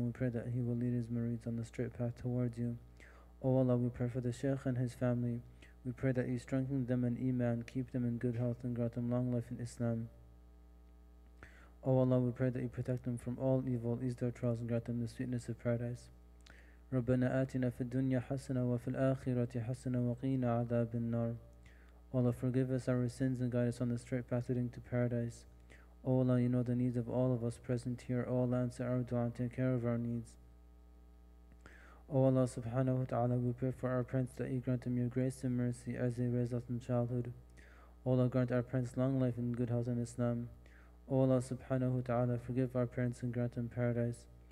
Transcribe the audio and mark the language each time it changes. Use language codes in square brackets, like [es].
[en] We pray that he will lead his murids on the straight path towards you. Allah, we pray for the Shaykh and his family. We pray that you strengthen them in Iman, keep them in good health, and grant them long life in Islam. Allah, we pray that you protect them from all evil, ease their trials, and grant them the sweetness of paradise. [ar] ربنا آتنا في الدنيا حسنة وفي الآخرة حسنة وقينا عذاب النار. [en] Allah, forgive us our sins and guide us on the straight path leading to paradise. Allah, you know the needs of all of us present here. Allah, answer our dua and take care of our needs. Allah, subhanahu wa ta'ala, we pray for our parents that you grant them your grace and mercy as they raise us in childhood. Allah, grant our parents long life and good health in Islam. Allah, subhanahu wa ta'ala, forgive our parents and grant them paradise.